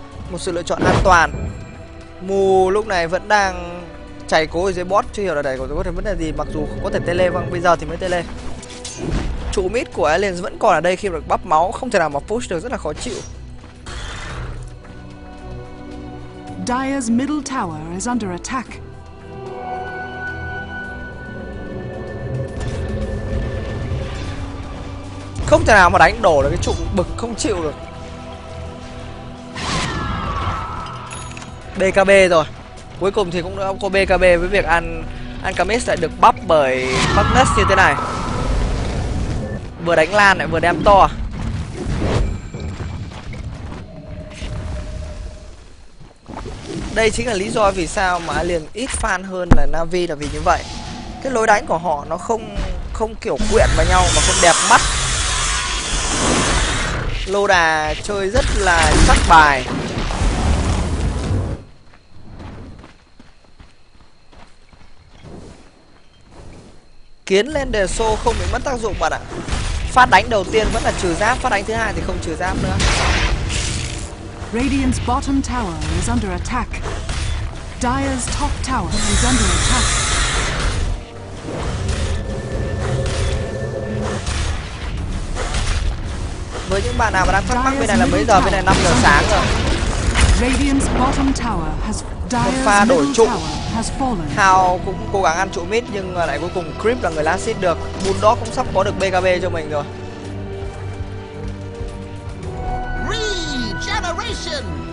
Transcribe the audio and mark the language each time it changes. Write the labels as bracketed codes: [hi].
[vi] Một sự lựa chọn an toàn. Mù lúc này vẫn đang chảy cố ở dưới bot, chưa hiểu là đẩy có thể vấn đề gì, mặc dù không có thể tele văng, bây giờ thì mới tele. Trụ mid của Aliens vẫn còn ở đây khi được bắp máu, không thể nào mà push được, rất là khó chịu. [en] Dire's middle tower is under attack. [vi] Không thể nào mà đánh đổ được cái trụ, bực không chịu được. BKB rồi. Cuối cùng thì cũng đã có BKB với việc Alchemist lại được bắp bởi Magnus như thế này. Vừa đánh lan lại vừa đem to. Đây chính là lý do vì sao mà Alien ít fan hơn là Na'Vi, là vì như vậy. Cái lối đánh của họ nó không kiểu quyện vào nhau mà không đẹp mắt. Loda chơi rất là chắc bài. Kiến lên đề xô không bị mất tác dụng bạn ạ. Phát đánh đầu tiên vẫn là trừ giáp, phát đánh thứ hai thì không trừ giáp nữa. [en] Radiant's bottom tower is under attack. Dire's top tower is under attack. [vi] Với những bạn nào mà đang thắc mắc, bên này là mấy giờ? Bên này 5 giờ sáng rồi. [en] Radiant's bottom tower has [vi] một pha đổi trụ. Hào cũng cố gắng ăn trụ mid nhưng lại cuối cùng Creep là người last hit được. Bulldog cũng sắp có được BKB cho mình rồi. [en] Regeneration.